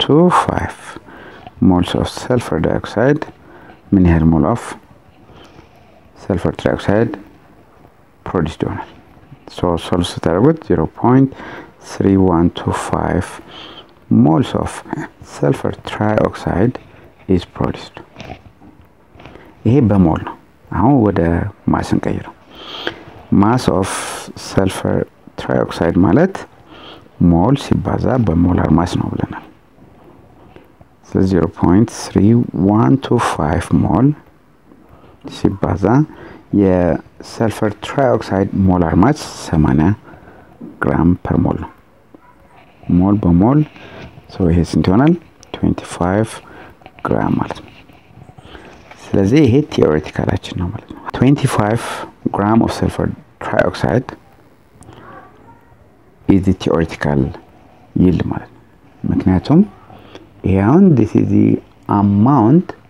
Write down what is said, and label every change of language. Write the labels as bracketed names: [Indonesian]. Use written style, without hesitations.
[English] 0.31125 moles of sulfur dioxide [Amharic] ምን ያህል ሞል [English] of sulfur trioxide produced [Amharic] ይሆናል? [English] So solve that with 0.3125 moles of sulfur trioxide is produced. [Amharic] ይሄ በሞል ነው። አሁን ወደ ማስ እንቀይረው። [English] Mass of sulfur trioxide [Amharic] ማለት ሞል ሲባዛ በሞላር ማስ ነው ብለናል። So 0.3125 ሞል ሲባዛ የሰልፈር ትራይኦክሳይድ ሞላር ማስ 80 ግራም ፐር ሞል ነው። ሞል በሞል ሰው ይሄ ስንት ይሆናል? 25 ግራም ማለት ነው። ስለዚህ ይሄ ቲዮሬቲካላችን ነው ማለት ነው። 25 ግራም [English] ኦፍ ሰልፈር ትራይኦክሳይድ ኢዝ ዘ ቲዮሬቲካል ይልድ [Amharic] ማለት ነው። ምክንያቱም ያውን [English] this is the amount